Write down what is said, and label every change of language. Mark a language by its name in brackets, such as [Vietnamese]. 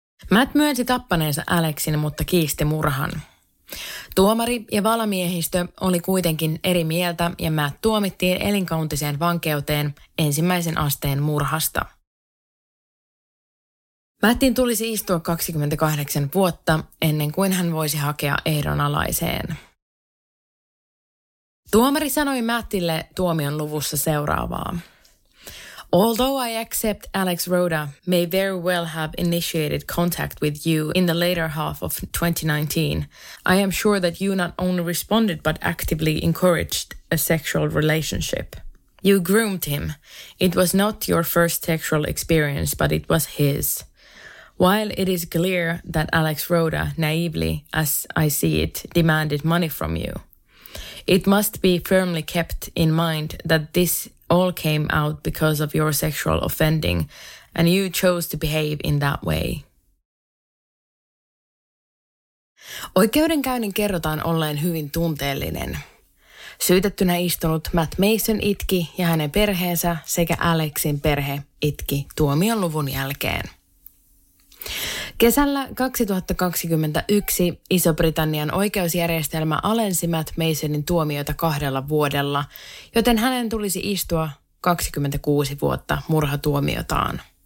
[Finnish] Matt myönsi tappaneensa Alexin, mutta kiisti murhan. Tuomari ja valamiehistö oli kuitenkin eri mieltä ja Matt tuomittiin elinkautiseen vankeuteen ensimmäisen asteen murhasta. Mattin tulisi istua 28 vuotta ennen kuin hän voisi hakea ehdonalaiseen. Tuomari sanoi Mattille tuomion luvussa seuraavaa. [English] Although I accept Alex Rhoda may very well have initiated contact with you in the later half of 2019, I am sure that you not only responded but actively encouraged a sexual relationship. You groomed him. It was not your first sexual experience, but it was his. While it is clear that Alex Rhoda naively, as I see it, demanded money from you, it must be firmly kept in mind that this all came out because of your sexual offending, and you chose to behave in that way. [Finnish] Oikeudenkäynnin kerrotaan olleen hyvin tunteellinen. Syytettynä istunut Matt Mason itki ja hänen perheensä sekä Alexin perhe itki tuomion luvun jälkeen. Kesällä 2021 Iso-Britannian oikeusjärjestelmä alensi Matt Masonin tuomioita 2 vuodella, joten hänen tulisi istua 26 vuotta murhatuomiotaan.